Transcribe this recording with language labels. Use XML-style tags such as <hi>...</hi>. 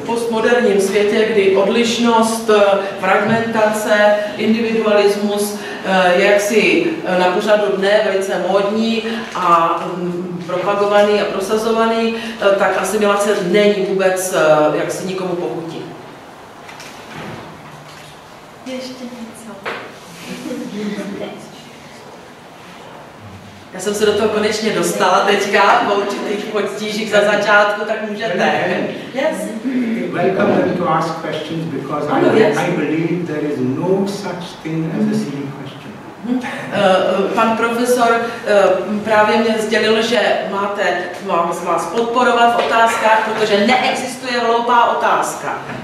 <cs>V postmoderním světě, kdy odlišnost, fragmentace, individualismus je jaksi na pořadu dne velice módní a propagovaný a prosazovaný, tak asimilace není vůbec jaksi nikomu pochutí. Ještě něco. Já jsem se do toho konečně dostala teďka, po určitých potížích za začátku, tak můžete.</cs> <en>Yes. Welcome them to ask questions because I believe there is no such thing as a silly question.</en> <cs>Pan profesor právě mě sdělil, že máte vás podporovat v otázkách, protože neexistuje hloupá otázka.</cs>